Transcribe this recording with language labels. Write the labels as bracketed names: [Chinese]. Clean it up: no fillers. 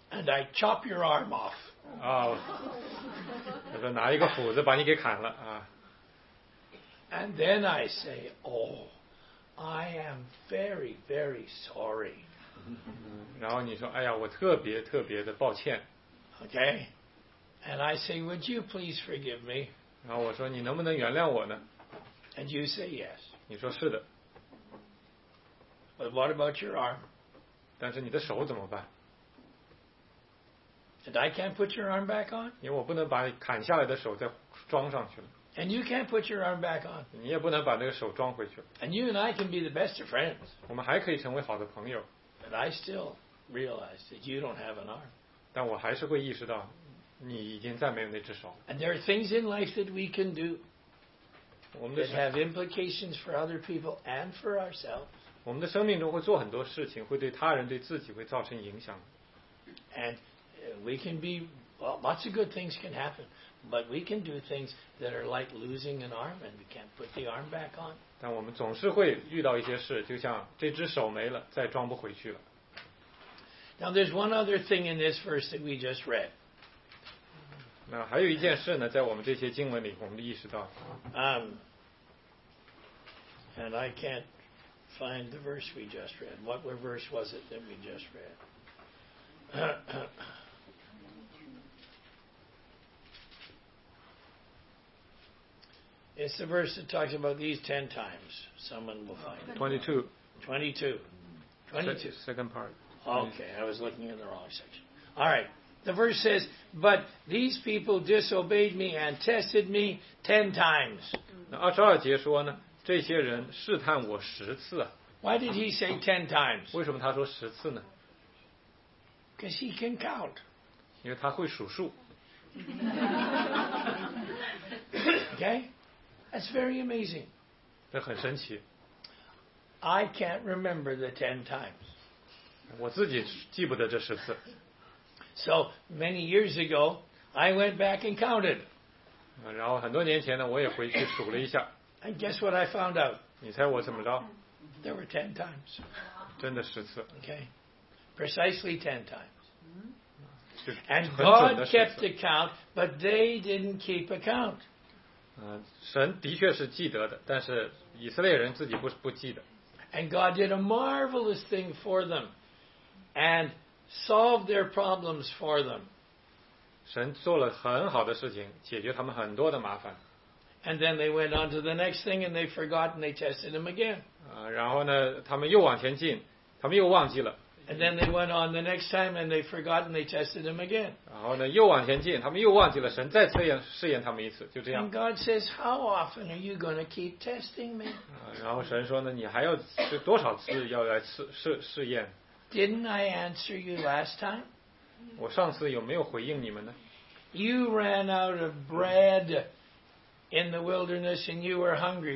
[English] And I chop your arm off. [Chinese] 啊，我说拿一个斧子把你给砍了啊。 [English] And then I say, oh. I am very, very sorry. [Chinese] 然后你说，哎呀，我特别特别的抱歉。 [English] Okay. And I say, would you please forgive me? [Chinese] 然后我说，你能不能原谅我呢？ [English] And you say yes. [Chinese] 你说是的。 [English] But what about your arm? [Chinese] 但是你的手怎么办？ [English] And I can't put your arm back on? [Chinese] 因为我不能把砍下来的手再装上去了。 [English] And you can't put your arm back on. [Chinese] 你也不能把那个手装回去。 [English] And you and I can be the best of friends. [Chinese] 我们还可以成为好的朋友。 [English] But I still realize that you don't have an arm. [Chinese] 但我还是会意识到，你已经再没有那只手。 [English] And there are things in life that we can do that have implications for other people and for ourselves. [Chinese] 我们的生命中会做很多事情，会对他人、对自己会造成影响。 [English] And we can be, well, lots of good things can happen. But we can do things that are like losing an arm and we can't put the arm back on. [Chinese] 但我们总是会遇到一些事，就像这只手没了，再装不回去了。 [English] Now there's one other thing in this verse that we just read. [Chinese] 那还有一件事呢，在我们这些经文里，我们意识到。 [English] And I can't find the verse we just read. What verse was it that we just read? It's the verse that talks about these 10 times. Someone will find it. 22. Second part. Okay, I was looking in the wrong section. All right. The verse says, But these people disobeyed me and tested me 10 times. [Chinese] 22节说呢，这些人试探我十次。 [English] Why did he say 10 times? [Chinese] 为什么他说十次呢？ [English] Because he can count. [Chinese] 因为他会数数。 [English] Okay? That's very amazing. [Chinese] 这很神奇。 [English] I can't remember the 10 times. [Chinese] 我自己记不得这十次。 [English] So many years ago, I went back and counted. [Chinese] 然后很多年前呢，我也回去数了一下。 [English] And guess what I found out? [Chinese] 你猜我怎么着？ [English] There were 10 times. [Chinese] 真的十次。 [English] Okay. Precisely 10 times. And God kept a count, but they didn't keep a count. [Chinese] 神的确是记得的，但是以色列人自己不记得。 [English] And God did a marvelous thing for them, and solved their problems for them. [Chinese] 神做了很好的事情，解决他们很多的麻烦。 [English] And then they went on to the next thing, and they forgot, and they tested him again. [Chinese] 然后呢，他们又往前进，他们又忘记了， [English] And then they went on the next time and they forgot and they tested him again. [Chinese] 然后呢又往前进他们又忘记了神再试验他们一次就这样。 [English] And God says, how often are you going to keep testing me? [Chinese] 然后神说呢你还要多少次要来 试验 [English] Didn't I answer you last time? [Chinese] 我上次有没有回应你们呢 [English] You ran out of bread in the wilderness and you were hungry.